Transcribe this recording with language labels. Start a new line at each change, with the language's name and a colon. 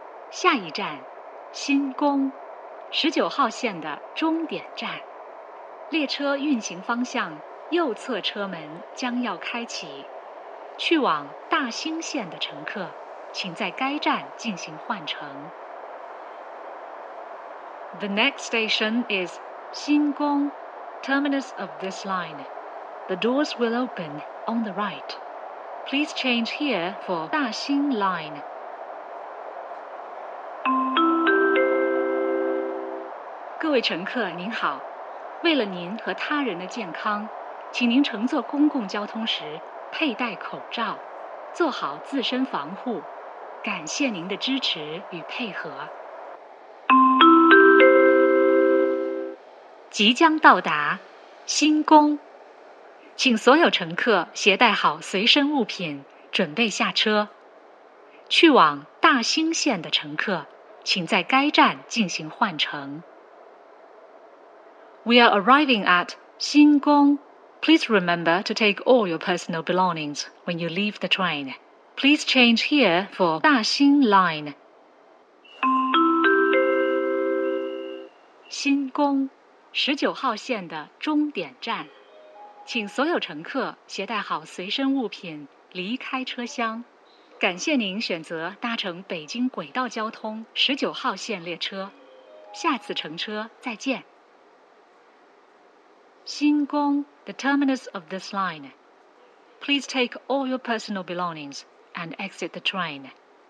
Chinese: 下一站，新宫，19号线的终点站。列车运行方向右侧车门将要开启，去往大兴线的乘客，请在该站进行换乘。
English: The next station is 新宫, terminus of this line. The doors will open on the right. Please change here for 大兴 line.
Chinese: 各位乘客您好，为了您和他人的健康，请您乘坐公共交通时佩戴口罩，做好自身防护。感谢您的支持与配合。即将到达新宫，请所有乘客携带好随身物品，准备下车。去往大兴线的乘客，请在该站进行换乘。
English: We are arriving at 新宫。 Please remember to take all your personal belongings when you leave the train. Please change here for 大兴 line.
Chinese: 新宫19号线的终点站，请所有乘客携带好随身物品离开车厢。感谢您选择搭乘北京轨道交通19号线列车，下次乘车再见。
English: 新宫 the terminus of this line. Please take all your personal belongings and exit the train.